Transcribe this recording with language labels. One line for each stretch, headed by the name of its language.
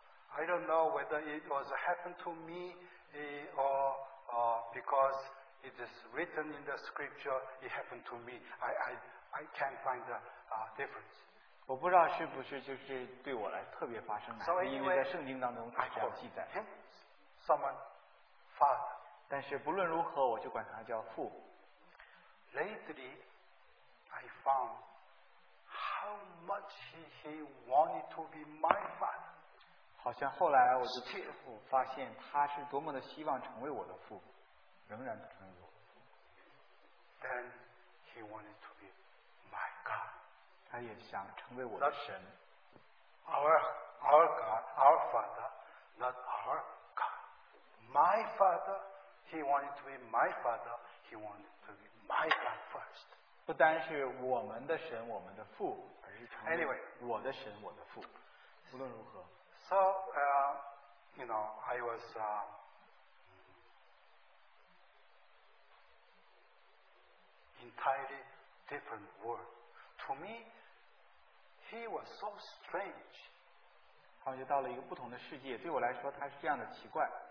English: I don't know whether it was happened to me or because it is written in the scripture, it happened to me. I can't find the difference.
Chinese: 我不知道是不是就是对我来特别发生的，因为在圣经当中它这样记载。
English: Someone, father.
Chinese: 但是不论如何，我就管他叫父。
English: Lately, I found how much he wanted to be my father.
Chinese: 好像后来我就发现他是多么的希望成为我的父，仍然成为我的父。
English: Then he wanted to be my God.
Chinese: 他也想成为我的神。
English: Our God, our Father, not our God. My Father, he wanted to be my Father, he wanted to be my God first.
Chinese: 不单是我们的神，我们的父。
English: Anyway,
Chinese: 我的神，我的父。无论如何。
English: So, you know, I was entirely different world. To me, he was so strange.
Chinese: 好像到了一个不同的世界，对我来说，他是这样的奇怪。